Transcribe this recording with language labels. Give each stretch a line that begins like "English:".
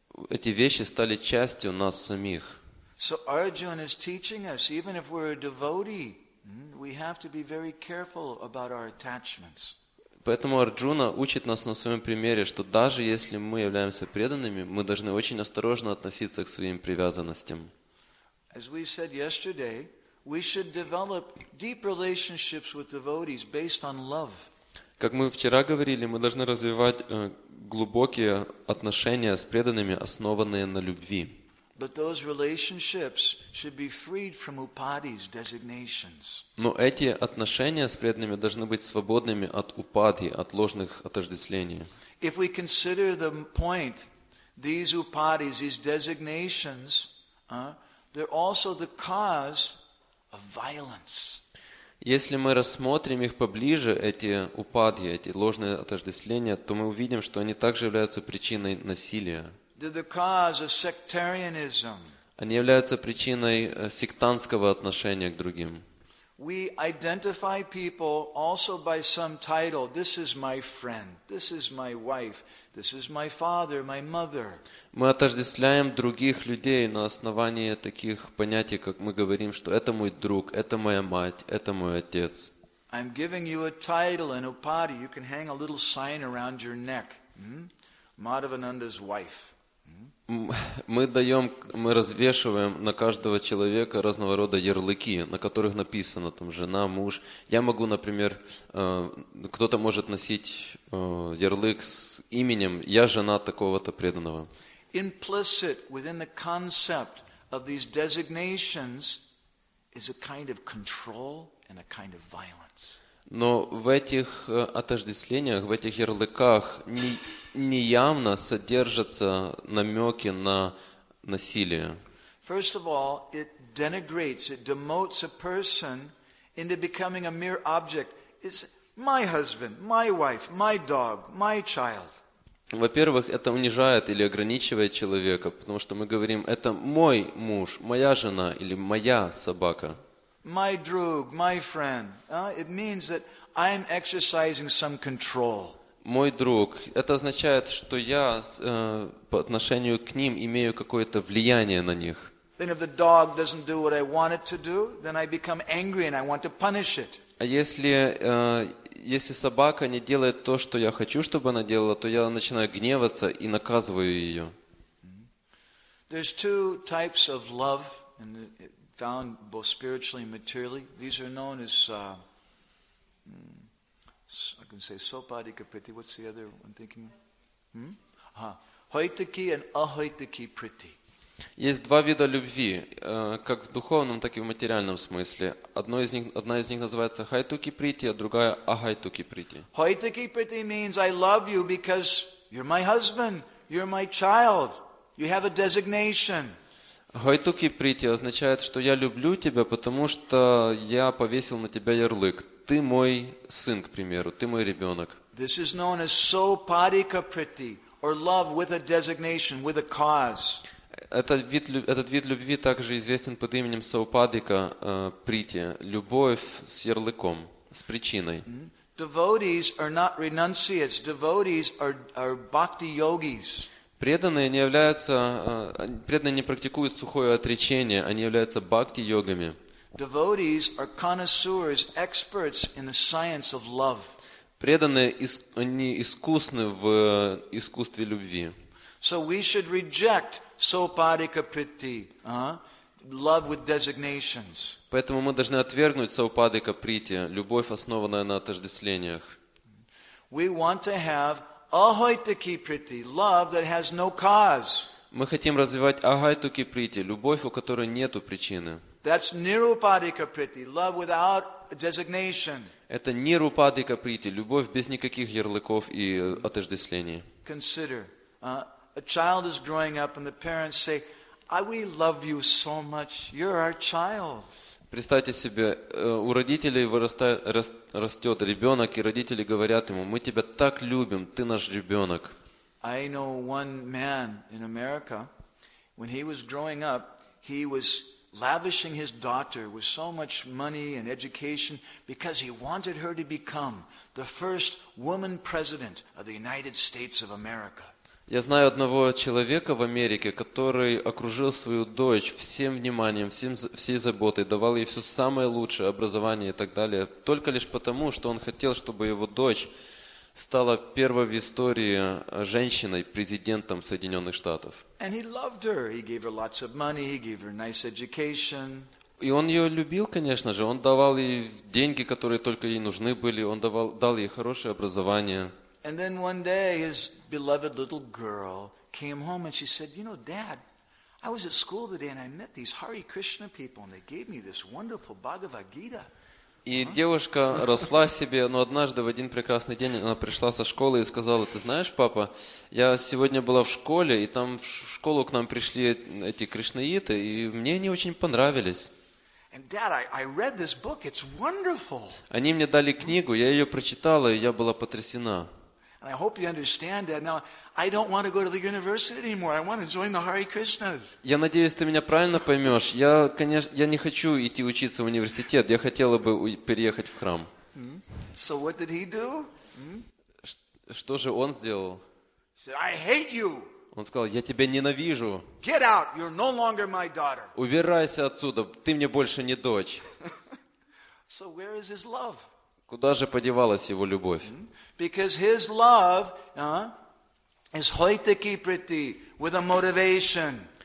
Russian: Эти вещи стали частью нас самих.
English: So Arjun is teaching us, even if we're a devotee, we have to be very careful about our attachments.
Russian: Поэтому Арджуна учит нас на своем примере, что даже если мы являемся преданными, мы должны очень осторожно относиться к своим привязанностям. Как мы вчера говорили, мы должны развивать глубокие отношения с преданными, основанные на любви.
English: But those relationships should be freed from upadhi's designations.
Russian: Но эти отношения с преданными должны быть свободными от упадхи, от ложных отождествлений.
English: If we consider the point, these upadhi's, these designations, they're also the cause of violence.
Russian: Если мы рассмотрим их поближе, эти упадхи, эти ложные отождествления, то мы увидим, что они также являются причиной насилия.
English: They're the cause of sectarianism.
Russian: Они являются причиной сектантского отношения к другим.
English: We identify people also by some title. This is my friend. This is my wife. This is my father, my mother.
Russian: Мы отождествляем других людей на основании таких понятий, как мы говорим, что это мой друг, это моя мать, это мой отец.
English: I'm giving you a title in upadhi. You can hang a little sign around your neck. Madhavananda's wife.
Russian: Мы развешиваем на каждого человека разного рода ярлыки, на которых написано там жена, муж. Я могу, например, кто-то может носить ярлык с именем «Я жена такого-то преданного».
English: Implicit within the concept of these designations is a kind of control and a kind of violence.
Russian: Но в этих отождествлениях, в этих ярлыках неявно содержатся намеки на насилие.
English: First of all, it denigrates, it demotes a person into becoming a mere object. It's my husband, my wife, my dog, my child.
Russian: Во-первых, это унижает или ограничивает человека, потому что мы говорим, это мой муж, моя жена или моя собака.
English: My
Russian: друг,
English: my friend. It means that I'm exercising some control.
Russian: Мой друг. Это означает, что я по отношению к ним имею какое-то влияние на них.
English: Then if the dog doesn't do what I want it to do, then I become angry and I want to punish it.
Russian: А если собака не делает то, что я хочу, чтобы она делала, то я начинаю гневаться и наказываю ее.
English: There's two types of love and found both spiritually and materially. These are known as I can say sopadika priti. What's the other one thinking? Hoitaki and ahoitaki priti.
Russian: Есть два вида любви, как в духовном, так и в материальном смысле. Одна из них называется хайтуки прити, а другая ахайтуки прити.
English: Хайтуки прити means I love you because you're my husband, you're my child, you have a designation.
Russian: Хайтуки прити означает, что я люблю тебя, потому что я повесил на тебя ярлык. Ты мой сын, к примеру, ты мой ребенок.
English: This is known as sopadika priti, or love with a designation, with a cause.
Russian: Этот вид любви также известен под именем саупадика прити, любовь с ярлыком, с причиной.
English: Devotees are not renunciates. Devotees are bhakti yogis.
Russian: Преданные не являются, преданные не практикуют сухое отречение, они являются бхакти йогами.
English: Devotees are connoisseurs, experts in the science of love.
Russian: Преданные, они искусны в искусстве любви.
English: So we should reject sopadika priti, love with designations.
Russian: Поэтому мы должны отвергнуть саупадика прити, любовь, основанная на отождествлениях.
English: We want to have ahaituki priti, love that has no cause.
Russian: Мы хотим развивать ahaituki priti, любовь, у которой нету причины.
English: That's nirupadika priti, love without designation.
Russian: Это нирупадика прити, любовь без никаких ярлыков и отождествлений.
English: Consider, a child is growing up and the parents say, we love you so much. You're our child.
Russian: Представьте себе, у родителей растет ребенок, и родители говорят ему, мы тебя так любим, ты наш ребенок.
English: I know one man in America, when he was growing up, he was lavishing his daughter with so much money and education because he wanted her to become the first woman president of the United States of America.
Russian: Я знаю одного человека в Америке, который окружил свою дочь всем вниманием, всей заботой, давал ей все самое лучшее образование и так далее, только лишь потому, что он хотел, чтобы его дочь стала первой в истории женщиной президентом Соединенных Штатов.
English: And he loved her. He gave her lots of money. He gave her nice education.
Russian: И он ее любил, конечно же. Он давал ей деньги, которые только ей нужны были. Он дал ей хорошее образование.
English: And then one day his beloved little girl came home and she said, you know, Dad, I was at school today and I met these Hare Krishna people and they gave me this wonderful Bhagavad Gita.
Russian: И девушка росла себе, но однажды в один прекрасный день она пришла со школы и сказала, ты знаешь, папа, я сегодня была в школе и там в школу к нам пришли эти кришнаиты и мне они очень понравились.
English: And Dad, I read this book, it's wonderful.
Russian: Они мне дали книгу, я ее прочитала, и я была потрясена.
English: And I hope you understand that. Now, I don't want to go to the university anymore. I want to join the Hare Krishnas.
Russian: Я надеюсь, ты меня правильно поймешь. Я, конечно, я не хочу идти учиться в университет. Я хотела бы переехать в храм.
English: So what did he do?
Russian: Что же он сделал?
English: He said, I hate you.
Russian: Он сказал, я тебя ненавижу.
English: Get out, you're no longer my daughter.
Russian: Убирайся отсюда, ты мне больше не дочь.
English: So where is his love?
Russian: Куда же подевалась его любовь?
English: Because his love, is hoitaki priti, with a motivation.